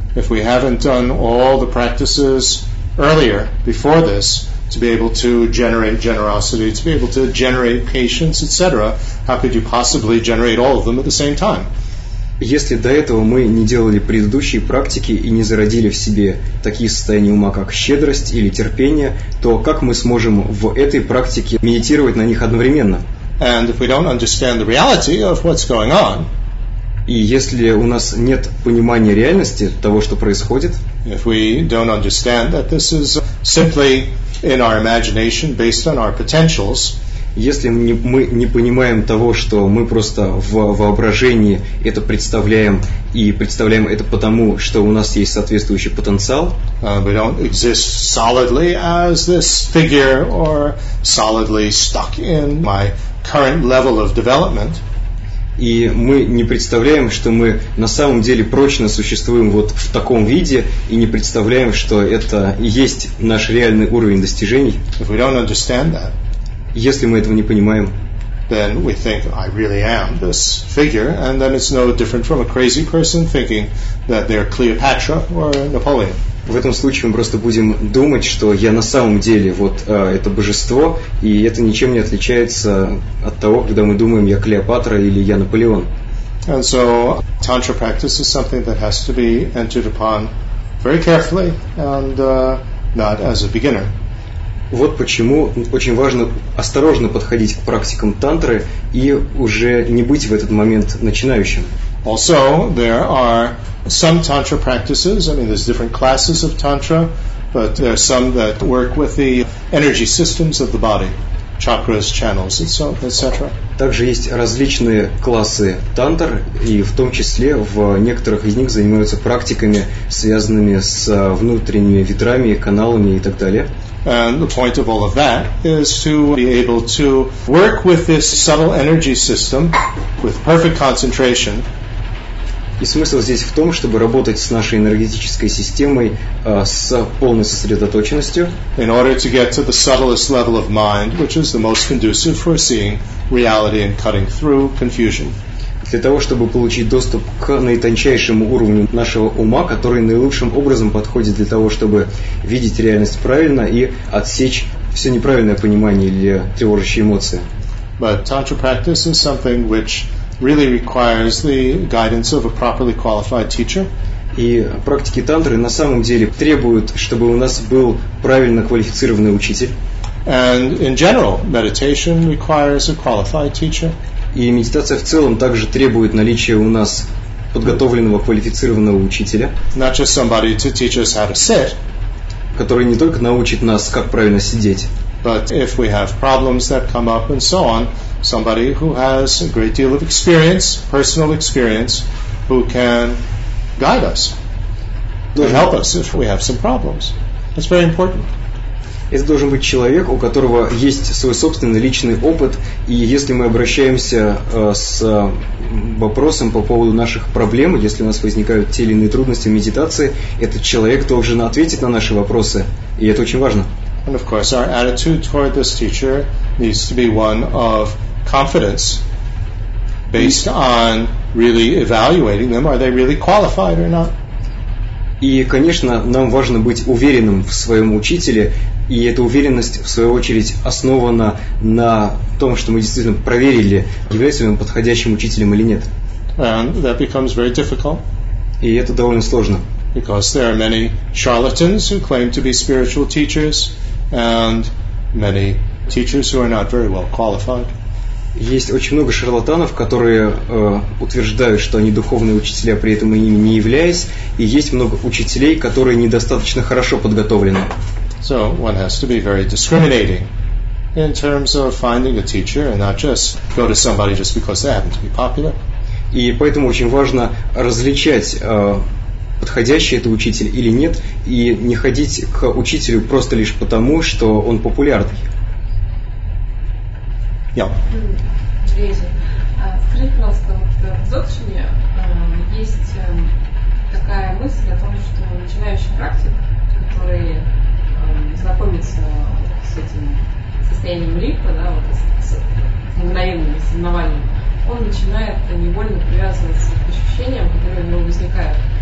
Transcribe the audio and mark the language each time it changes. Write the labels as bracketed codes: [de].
[en] If we haven't done all the practices earlier, before this, to be able to generate generosity, to be able to generate patience, etc., how could you possibly generate all of them at the same time? [ru] Если до этого мы не делали предыдущие практики и не зародили в себе такие состояния ума, как щедрость или терпение, то как мы сможем в этой практике медитировать на них одновременно? [en] And if we don't understand the reality of what's going on, [ru] и если у нас нет понимания реальности того, что происходит, [en] if we don't understand that this is simply in our imagination based on our potentials, [ru] если мы не понимаем того, что мы просто в воображении это представляем, и представляем это потому, что у нас есть соответствующий потенциал, [en] we don't exist solidly as this figure or solidly stuck in my current level of development, [ru] и мы не представляем, что мы на самом деле прочно существуем вот в таком виде, и не представляем, что это и есть наш реальный уровень достижений. [en] If we don't understand that, [ru] если мы этого не понимаем, [en] then we think I really am this figure, and then it's no different from a crazy person thinking that they're Cleopatra or Napoleon. [ru] В этом случае мы просто будем думать, что я на самом деле вот это божество, и это ничем не отличается от того, когда мы думаем, я Клеопатра или я Наполеон. [en] And so tantra practice is something that has to be entered upon very carefully and not as a beginner. [ru] Вот почему очень важно осторожно подходить к практикам тантры и уже не быть в этот момент начинающим. [en] Also, there are some tantra practices. I mean, there's different classes of tantra, but there are some that work with the energy systems of the body, chakras, channels, and so, etc. [ru] Также есть различные классы тантр, и в том числе в некоторых из них занимаются практиками, связанными с внутренними ветрами, каналами и так далее. [en] And the point of all of that is to be able to work with this subtle energy system with perfect concentration. [ru] И смысл здесь в том, чтобы работать с нашей энергетической системой с полной сосредоточенностью. [en] In order to get to the subtlest level of mind, which is the most conducive for seeing reality and cutting through confusion. [ru] Для того, чтобы получить доступ к наитончайшему уровню нашего ума, который наилучшим образом подходит для того, чтобы видеть реальность правильно и отсечь все неправильное понимание или тревожащие эмоции. [en] But tantra practice is something which really requires the guidance of a properly qualified teacher. [ru] И практики тантры на самом деле требуют, чтобы у нас был правильно квалифицированный учитель. [en] And in general, meditation requires a qualified teacher. [ru] И медитация в целом также требует наличия у нас подготовленного квалифицированного учителя. [en] Not just somebody to teach us how to sit, [ru] который не только научит нас, как правильно сидеть. [en] But if we have problems that come up and so on, somebody who has a great deal of experience, personal experience, who can guide us, can help us if we have some problems. That's very important. [ru] Это должен быть человек, у которого есть свой собственный личный опыт, и если мы обращаемся с вопросом по поводу наших проблем, если у нас возникают те или иные трудности в медитации, этот человек должен ответить на наши вопросы, и это очень важно. [en] And of course, our attitude toward this teacher needs to be one of confidence, based on really evaluating them. Are they really qualified or not? [ru] И, конечно, нам важно быть уверенным в своем учителе, и эта уверенность, в свою очередь, основана на том, что мы действительно проверили, является ли он подходящим учителем или нет. [en] And that becomes very difficult. [ru] И это довольно сложно. [en] Because there are many charlatans who claim to be spiritual teachers, and many teachers who are not very well qualified. [ru] Есть очень много шарлатанов, которые утверждают, что они духовные учителя, при этом ими не являясь, и есть много учителей, которые недостаточно хорошо подготовлены. [en] So one has to be very discriminating in terms of finding a teacher and not just go to somebody just because they happen to be popular. [ru] И поэтому очень важно различать подходящий это учитель или нет, и не ходить к учителю просто лишь потому, что он популярный. Я. Скажите, пожалуйста, в дзотшине есть такая мысль о том, что начинающий практик, который знакомится с этим состоянием липа, да, вот с мгновенным соревнованием, он начинает невольно привязываться к ощущениям, которые у него возникают.